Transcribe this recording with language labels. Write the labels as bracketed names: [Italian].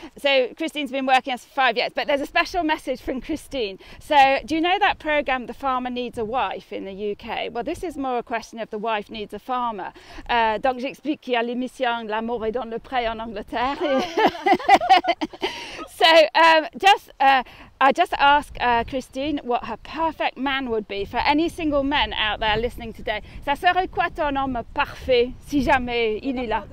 [English] So Christine's been working us for 5 years, but there's a special message from Christine. So do you know that program, The Farmer Needs a Wife in the UK? Well, this is more a question of the wife needs a farmer. [French] Donc j'explique qu'il y a l'émission L'amour est dans le pré en Angleterre. [English] Oh, yeah. So I just ask Christine what her perfect man would be for any single men out there listening today. [French] Ça serait quoi ton homme parfait si jamais il est là?